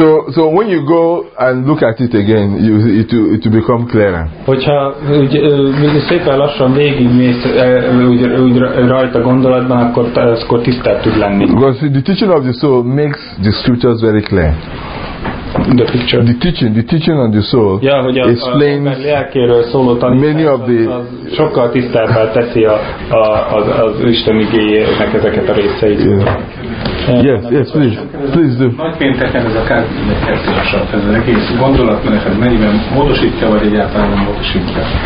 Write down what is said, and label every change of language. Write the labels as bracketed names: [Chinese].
[English] So when you go and look at it again, it will become clearer. [Hungarian] Hogyha szépen lassan végigmész rajta gondolatban, akkor tisztább tud lenni. [English] Because the teaching of the soul makes the scriptures very clear. The teaching on the soul, yeah, hogy explains [Hungarian] a lelkéről szóló tanítás, [English] many of the [Hungarian] az sokkal tisztábbá teszi az Isten igéjének ezeket a részeit. [English] Yeah. Yes, please do. [Hungarian] Nagypénteken ez a kártyázásabb, ez az egész gondolatmeneket mennyiben módosítja, vagy egyáltalán nem módosítja?